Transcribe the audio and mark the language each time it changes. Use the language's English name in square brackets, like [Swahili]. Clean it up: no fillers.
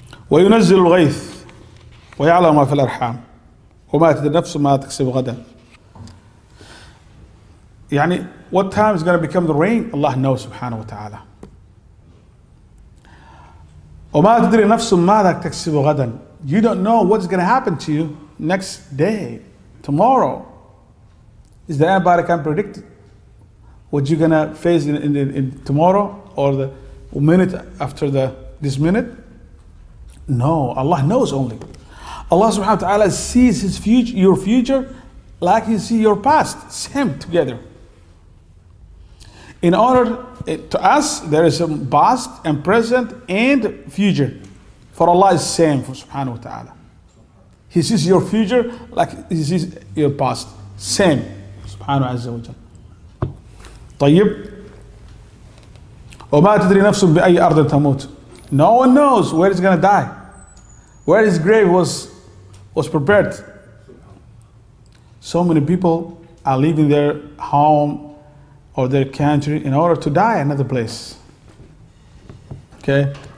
[Arabic] وينزل الغيث ويعلم ما في الأرحام وما تدري نفس ما تكسب غدا. [English] يعني what time is going to become the rain? Allah knows subhanahu wa ta'ala. [Arabic] وما تدري نفس ما تكسب غدا. [English] You don't know what's going to happen to you next day, tomorrow. Is there anybody can predict it? What you're gonna face in tomorrow or the minute after this minute? No, Allah knows only. Allah subhanahu wa ta'ala sees his future, your future, like he sees your past, same together. In order to us, there is a past and present and future. For Allah is the same for subhanahu wa ta'ala. He sees your future like he sees your past. Same. Subhanahu azza wa jal. طيب. [Arabic] وما تدري نفس بأي أرض تموت. [English] No one knows where he's going to die. Where his grave was prepared. So many people are leaving their home or their country in order to die another place. Okay.